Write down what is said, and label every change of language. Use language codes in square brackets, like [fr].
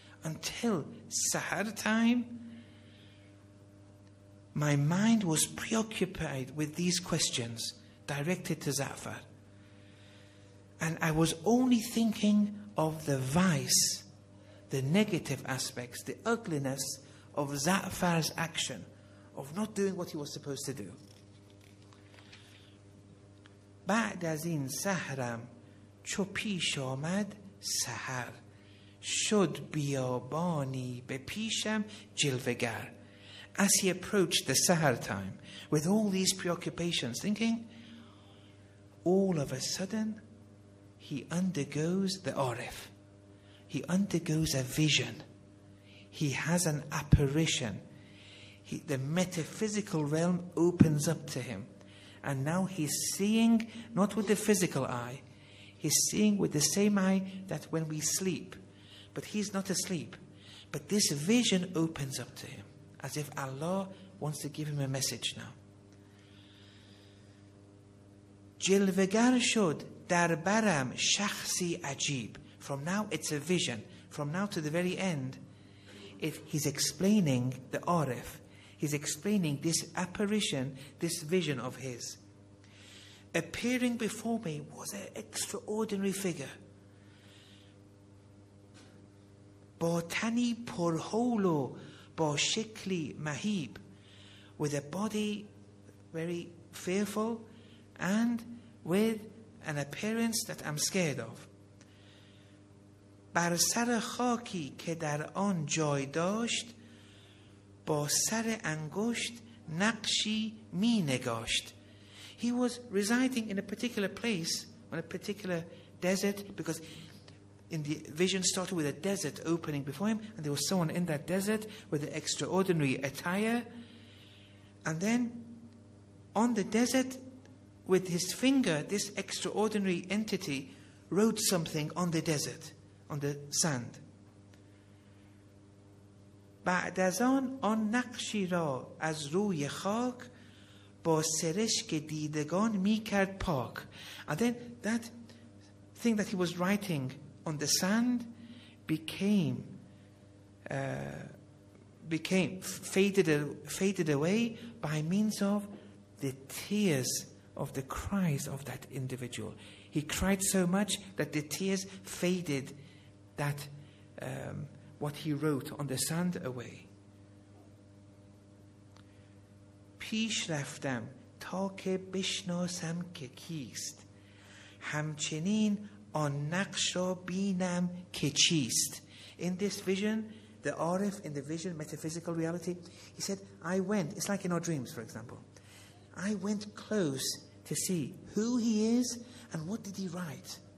[en] Until sahar time, my mind was preoccupied with these questions directed to Za'far. And I was only thinking of the vice, the negative aspects, the ugliness of Za'far's action, of not doing what he was supposed to do. [fa] بعد از این سحرم چو پیش آمد سحر شد بیابانی به پیشم جلوگر. [en] As he approached the Sahar time with all these preoccupations, thinking, all of a sudden, he undergoes the Arif. He undergoes a vision. He has an apparition. The metaphysical realm opens up to him. And now he's seeing, not with the physical eye, he's seeing with the same eye that when we sleep. But he's not asleep. But this vision opens up to him, as if Allah wants to give him a message now. [fa] جلوگر شد در برم شخصی عجیب. [en] From now it's a vision. From now to the very end, he's explaining the Arif. He's explaining this apparition, this vision of his. Appearing before me was an extraordinary figure. [fa] با تنی پرهول و با شکلی مهیب. [en] With a body very fearful and with an appearance that I'm scared of. [fa] بر سر خاکی که در آن جای داشت با سر انگشت نقشی می نگاشت. [en] He was residing in a particular place, on a particular desert, because in the vision started with a desert opening before him, and there was someone in that desert with an extraordinary attire. And then on the desert, with his finger, this extraordinary entity wrote something on the desert, on the sand. [fa] بعد از آن آن نقشی را از روی خاک با سرشک دیدگان می کرد پاک. [en] And then that thing that he was writing on the sand faded away by means of the tears of the cries of that individual. He cried so much that the tears faded that what he wrote on the sand away. [fa] پیش رفتم تا که بشناسم که کیست، همچنین آن نقش را بینم که چیست. [en] In this vision, the Arif, in the vision, metaphysical reality, he said, I went, it's like in our dreams, for example, I went close to see who he is and what did he write.